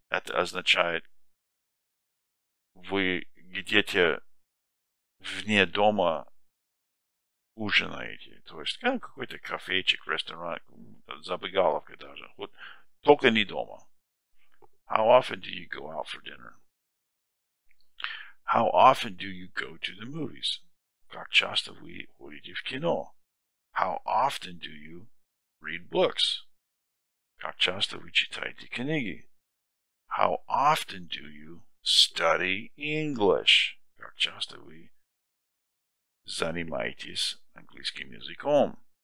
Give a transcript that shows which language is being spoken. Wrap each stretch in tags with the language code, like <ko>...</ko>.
<ru>Это означает вы где-то вне дома ужинаете. То есть какой-то кафечек, ресторан, забегаловка даже. Вот только не дома.</ru> <en>How often do you go out for dinner? How often do you go to the movies?</en> <ru>Как часто вы ходите в кино?</ru> <en>How often do you read books?</en> <ru>Как часто вы читаете книги?</ru> <en>How often do you study English?</en> <ru>Как часто вы занимаетесь английским языком?</ru>